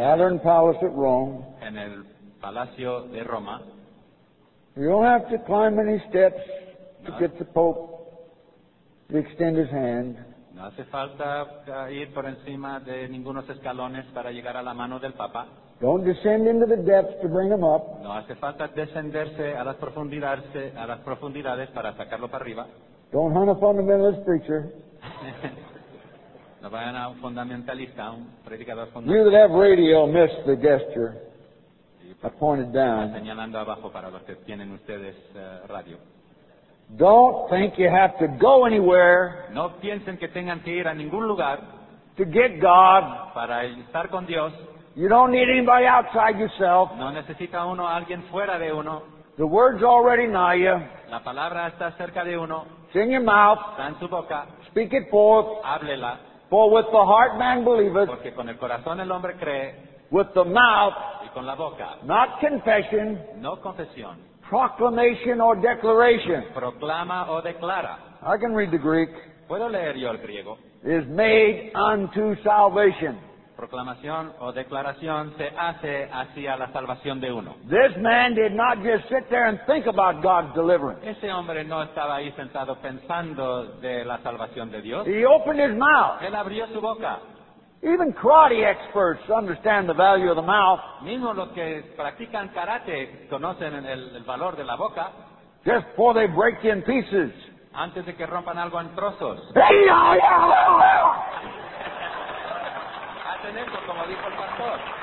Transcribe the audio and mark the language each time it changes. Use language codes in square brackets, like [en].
[en] Southern Palace at Rome. [es] En el Palacio de Roma. [en] You don't have to climb any steps to get the Pope to extend his hand. [es] No hace falta ir por encima de ningunos escalones para llegar a la mano del Papa. [en] Don't descend into the depths to bring him up. [es] No hace falta descenderse a las profundidades para sacarlo para arriba. [en] Don't hunt a fundamentalist preacher. [es] No vayan a un fundamentalista, un predicador fundamentalista. [en] You that have radio miss the gesture. I pointed down. [es] Señalando abajo para los que tienen ustedes radio. [en] Don't think you have to go anywhere. [es] No piensen que tengan que ir a ningún lugar. [en] To get God. [es] Para estar con Dios. [en] You don't need anybody outside yourself. [es] No necesita uno a alguien fuera de uno. [en] The word's already nigh you. [es] La palabra está cerca de uno. [en] It's in your mouth. [es] Está en su boca. [en] Speak it forth. [es] Háblela. [en] For with the heart man believeth. [es] Porque con el corazón el hombre cree. [en] With the mouth. [es] Y con la boca. [en] Not confession. [es] No confesión. [en] Proclamation or declaration. [es] Proclama o declara. [en] I can read the Greek. [es] ¿Puedo leer yo el griego? [en] Is made unto salvation. [es] Proclamación o declaración se hace hacia la salvación de uno. [en] This man did not just sit there and think about God's deliverance. [es] Ese hombre no estaba ahí sentado pensando de la salvación de Dios. [en] He opened his mouth. [es] Él abrió su boca. [en] Even karate experts understand the value of the mouth. [es] Mismo los que practican karate conocen el valor de la boca. [en] Just before they break in pieces. [es] Antes de que rompan algo en trozos. [en] Hey, no, no, no, no. [es] Hacen eso, como dijo el pastor.